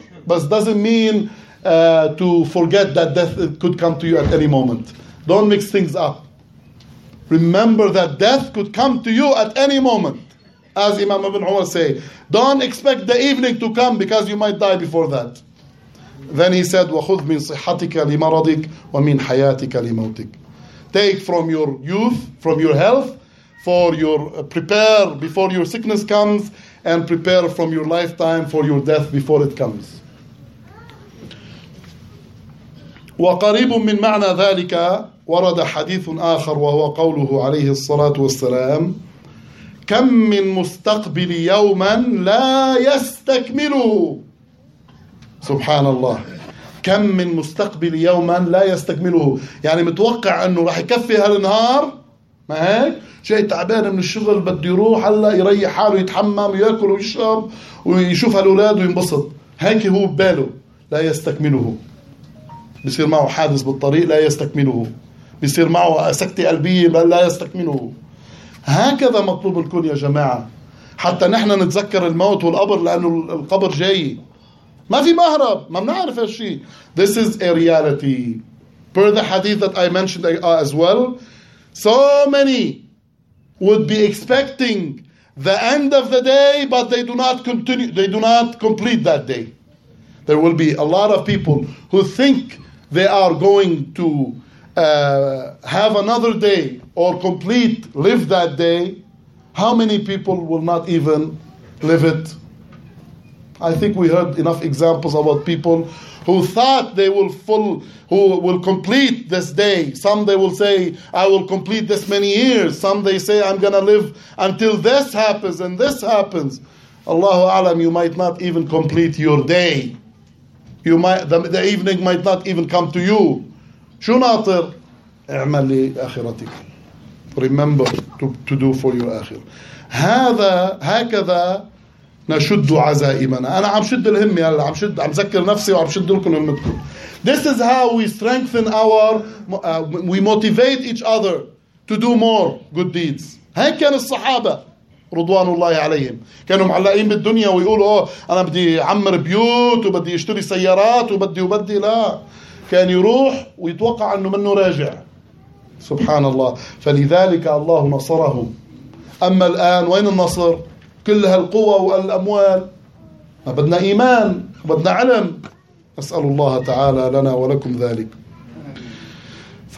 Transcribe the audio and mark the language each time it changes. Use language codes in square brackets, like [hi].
[en] But doesn't mean to forget that death could come to you at any moment. Don't mix things up. Remember that death could come to you at any moment. As Imam Ibn Umar say, don't expect the evening to come because you might die before that. Then he said, [ar] وَخُذْ مِنْ صِحَّتِكَ لِمَرَضِكَ وَمِنْ حَيَاتِكَ لِمَوْتِكَ. [en] Take from your youth, from your health, for your prepare before your sickness comes, and prepare from your lifetime for your death before it comes. [ar] وقريب من معنى ذلك ورد حديث آخر وهو قوله عليه الصلاة والسلام كم من مستقبل يوما لا يستكمله. سبحان الله. كم من مستقبل يوما لا يستكمله، يعني متوقع أنه راح يكفي هالنهار، ما هيك؟ جاي تعبان من الشغل بده يروح هلا يريح حاله يتحمم ويأكل ويشرب ويشوف هالأولاد وينبسط، هيك هو بباله. لا يستكمله، بيصير معه حادث بالطريق لا يستكمله، بيصير معه سكتة قلبية لا يستكمله. هكذا مطلوب الكون يا جماعة، حتى نحن نتذكر الموت والقبر، لأنه القبر جاي، ما في مهرب، ما بنعرف هالشي. [en] This is a reality per the hadith that I mentioned as well. So many would be expecting the end of the day, but they do not continue, they do not complete that day. There will be a lot of people who think they are going to have another day or complete, live that day. How many people will not even live it? I think we heard enough examples about people who thought they will complete this day. Some they will say, I will complete this many years. Some they say, I'm going to live until this happens and this happens. Allahu A'lam, you might not even complete your day. You might, the evening might not even come to you. [ar] شو ناطر؟ اعمل لآخرتك. [en] Remember to do for your آخر. [ar] هذا هكذا نشد عزائمنا. أنا عم شد الهمة هلا، عم ذكر نفسي وعم شد لكم همتكم. [en] This is how we strengthen our we motivate each other to do more good deeds. [ar] هيك كان الصحابة رضوان الله عليهم، كانوا معلقين بالدنيا ويقولوا أنا بدي عمر بيوت وبدي اشتري سيارات وبدي. لا، كان يروح ويتوقع أنه منه راجع. سبحان الله. فلذلك الله نصرهم. أما الآن وين النصر؟ كل هالقوة والأموال، ما بدنا إيمان، بدنا علم. أسأل الله تعالى لنا ولكم ذلك. ف